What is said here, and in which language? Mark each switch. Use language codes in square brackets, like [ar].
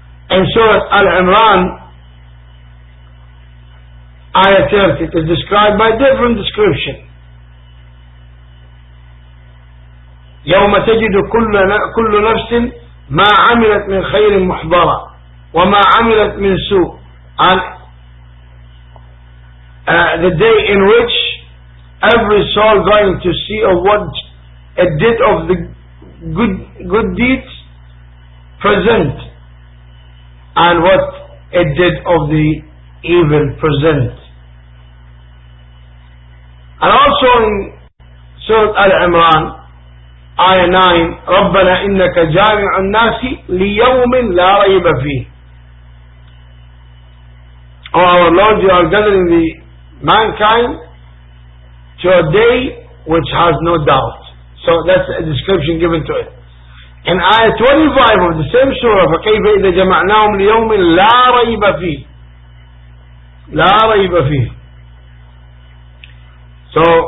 [en] In Surah Al-Imran, Ayah 30, it is described by different description. [ar] يوم تجد كل نفس ما عملت من خير محضرة وما عملت من سوء. [en] And the day in which every soul going to see of what it did of the good deeds present and what it did of the evil present. And also in Surah Al-Imran, Ayah 9, [ar] رَبَّنَا إِنَّكَ جَامِعُ النَّاسِ لِيَوْمٍ لَا رَيْبَ فِيهِ. [en] Oh, our Lord, you are gathering the mankind to a day which has no doubt. So that's a description given to it. In Ayah 25 of the same surah, [ar] فَكَيْفَ إِذَا جَمَعْنَاهُمْ لِيَوْمٍ لَا رَيْبَ فِيهِ. لَا رَيْبَ فِيهِ. [en] So,